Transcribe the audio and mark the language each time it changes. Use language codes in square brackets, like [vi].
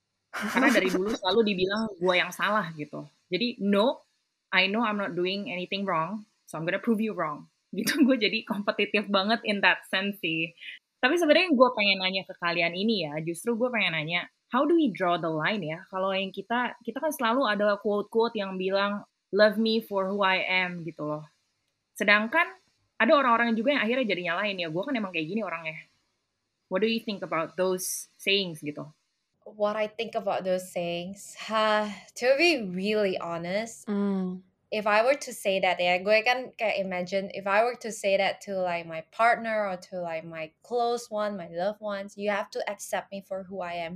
[id] Karena dari dulu selalu dibilang gue yang salah gitu. Jadi [en] no, I know I'm not doing anything wrong, so I'm gonna prove you wrong. [id] Gitu, gue jadi kompetitif banget [en] in that sense [id] sih. Tapi sebenarnya gue pengen nanya ke kalian ini ya, justru gue pengen nanya, [en] how do we draw the line [id] ya? Kalau yang kita kan selalu ada quote-quote yang bilang, [en] love me for who I am [id] gitu loh. Sedangkan ada orang-orang juga yang akhirnya jadinya lain ya, gue kan emang kayak gini orangnya. [en] What do you think about those sayings [id] gitu? [en] What I think about those sayings? To be really honest, if I were to say that, yeah, [id] gue kan kayak [en] imagine, if I were to say that to like my partner or to like my close one, my loved ones, you have to accept me for who I am.